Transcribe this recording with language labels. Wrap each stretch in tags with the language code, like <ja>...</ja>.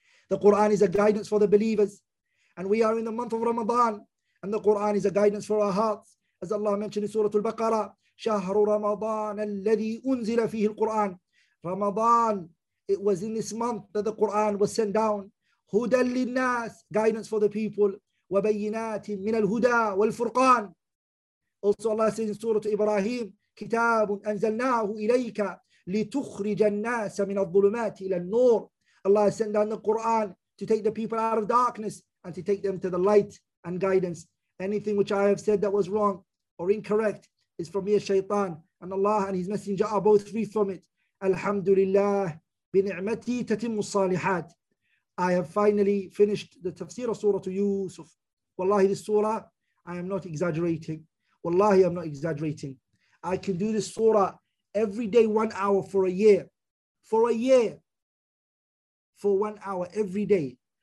<en>The Quran is a guidance for the believers, and we are in the month of Ramadan, and the Quran is a guidance for our hearts. As Allah mentioned in Surah Al-Baqarah,</en> <ar>شَهْرُ رَمَضَانَ الَّذِي أُنْزِلَ فِيهِ الْقُرْآنُ.</ar> <en>Ramadan, it was in this month that the Quran was sent down.</en> <ar>هدى للناس,</ar> <en>guidance for the people.</en> <ar>وبينات من الهدى والفرقان.</ar> <en>Also Allah says in Surah Ibrahim,</en> <ar>كتاب أنزلناه إليك لتخرج الناس من الظلمات إلى النور.</ar> <en>Allah has sent down the Quran to take the people out of darkness and to take them to the light and guidance. Anything which I have said that was wrong or incorrect is from mere shaitan, and Allah and His Messenger are both free from it.</en> <ar>الحمد لله بنعمتي تتم الصالحات.</ar> <en>I have finally finished the Tafseer of Surah Yusuf. Wallahi, this surah, I am not exaggerating. Wallahi, I'm not exaggerating. I can do this surah every day, 1 hour for a year. For a year. For 1 hour every day.</en>